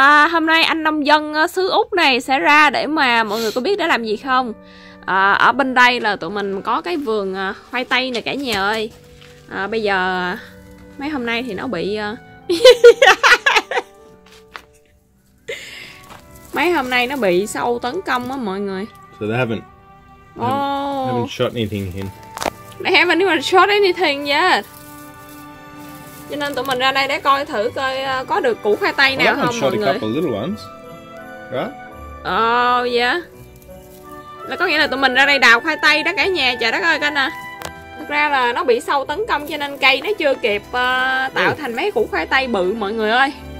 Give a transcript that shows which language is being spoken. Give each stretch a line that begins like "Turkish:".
Vietnamese: Hôm nay anh nông dân xứ Úc này sẽ ra để mà mọi người có biết đã làm gì không? Ở bên đây là tụi mình có cái vườn khoai tây nè cả nhà ơi. Bây giờ mấy hôm nay thì nó bị mấy hôm nay nó bị sâu tấn công á mọi người.
English: So they haven't shot anything yet. They haven't even shot anything yet.
Vietnamese: Cho nên tụi mình ra đây để coi thử coi có được củ khoai tây nào không mọi người.
English: Couple little ones. Right? Oh yeah.
Vietnamese: Là có nghĩa là tụi mình ra đây đào khoai tây đó cả nhà, trời đất ơi canh à. Thật ra là nó bị sâu tấn công cho nên cây nó chưa kịp tạo thành mấy củ khoai tây bự mọi người ơi.